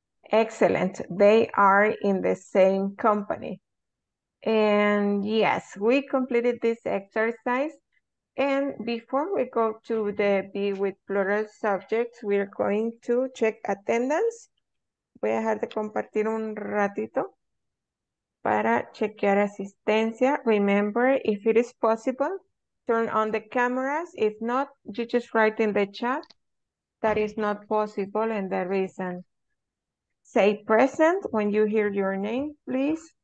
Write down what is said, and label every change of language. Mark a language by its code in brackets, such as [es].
[en] Excellent, they are in the same company. And yes, we completed this exercise. And before we go to the B with plural subjects, we are going to check attendance. [es] Voy a dejar de compartir un ratito para chequear asistencia. [en] Remember, if it is possible, turn on the cameras. If not, you just write in the chat that is not possible and the reason. Say present when you hear your name, please.